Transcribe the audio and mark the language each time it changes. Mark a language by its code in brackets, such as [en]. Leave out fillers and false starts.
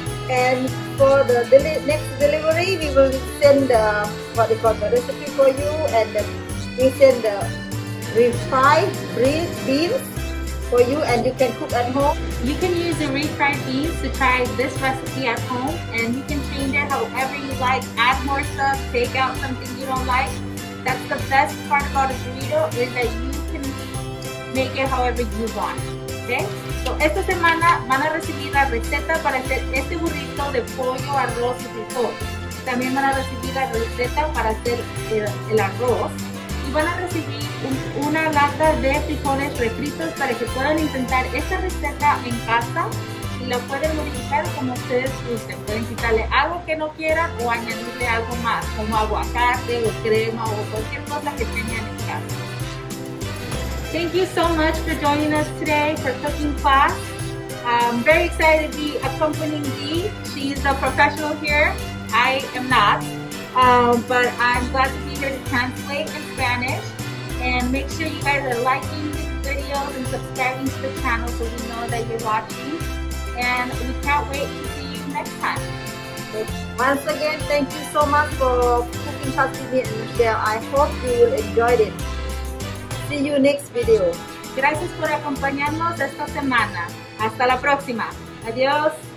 [en] And for the next delivery, we will send the recipe for you, and then we send the refried beans for you, and you can cook at home. You can use the refried beans to try this recipe at home, and you can change it however you like. Add more stuff, take out something you don't like. That's the best part about a burrito, is that you can make it however you want. [es] Okay. So esta semana van a recibir la receta para hacer este burrito de pollo, arroz y frijol. También van a recibir la receta para hacer el arroz. Y van a recibir una lata de frijoles refritos para que puedan intentar esta receta en casa. Y la pueden modificar como ustedes gusten. Pueden quitarle algo que no quieran o añadirle algo más, como aguacate o crema o cualquier cosa que tengan en casa. [en] Thank you so much for joining us today for cooking class. I'm very excited to be accompanying Dee. She's a professional here. I am not. But I'm glad to be here to translate in Spanish. And make sure you guys are liking this video and subscribing to the channel so we know that you're watching. And we can't wait to see you next time. Once again, thank you so much for cooking class with me and Michelle. I hope you will enjoy it. See you next video. [es] Gracias por acompañarnos esta semana. Hasta la próxima. Adiós.